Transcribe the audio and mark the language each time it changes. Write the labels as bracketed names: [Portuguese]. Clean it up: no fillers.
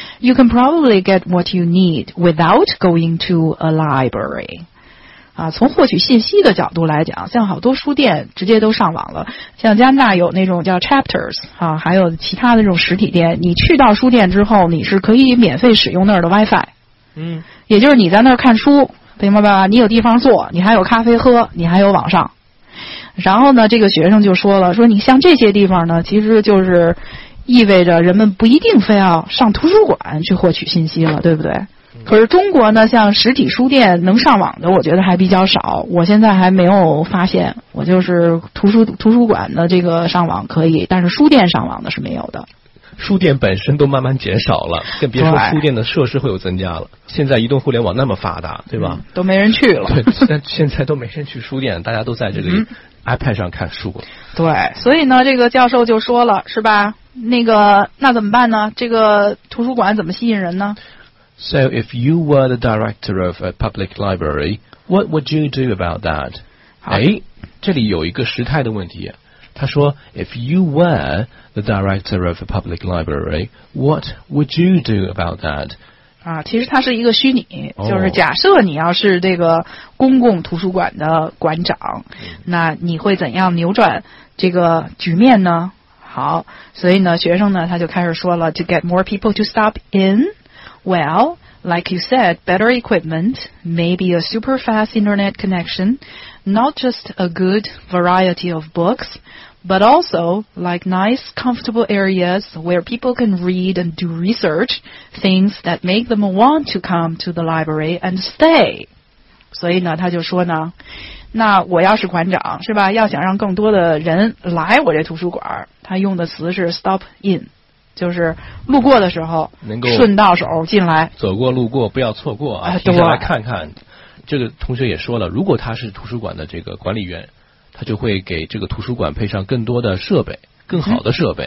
[English] You can probably get what you need without going to a library. [Chinese] 啊，从获取信息的角度来讲，像好多书店直接都上网了。像加拿大有那种叫 Chapters 啊，还有其他的这种实体店。你去到书店之后，你是可以免费使用那儿的 WiFi。嗯，也就是你在那儿看书，明白吧？你有地方坐，你还有咖啡喝，你还有网上。然后呢，这个学生就说了，说你像这些地方呢，其实就是意味着人们不一定非要上图书馆去获取信息了，对不对？可是中国呢，像实体书店能上网的，我觉得还比较少，我现在还没有发现，我就是图书馆的这个上网可以，但是书店上网的是没有的。书店本身都慢慢减少了，更别说书店的设施会有增加了。现在移动互联网那么发达，对吧？嗯、都没人去了。对，现在都没人去书店，大家都在这个 iPad 上看书、嗯。对，所以呢，这个教授就说了，是吧？那个，那怎么办呢？这个图书馆怎么吸引人呢 [English] ？So if you were the director of a public library, what would you do about that? [Chinese] 哎，这里有一个时态的问题。他说 [English] ，If you were the director of a public library, what would you do about that? [Chinese] 啊，其实它是一个虚拟、哦、就是假设你要是这个公共图书馆的馆长，那你会怎样扭转这个局面呢？好，所以呢学生呢他就开始说了 [English] to get more people to stop in, well,Like you said, better equipment, maybe a super fast internet connection, not just a good variety of books, but also like nice, comfortable areas where people can read and do research, things that make them want to come to the library and stay. [Chinese] 所以呢，他就说呢，那我要是馆长，是吧，要想让更多的人来我这图书馆，他用的词是 stop in. 就是路过的时候能够顺到手进来，走过路过不要错过啊，对，下来看看。这个同学也说了，如果他是图书馆的这个管理员，他就会给这个图书馆配上更多的设备，更好的设备、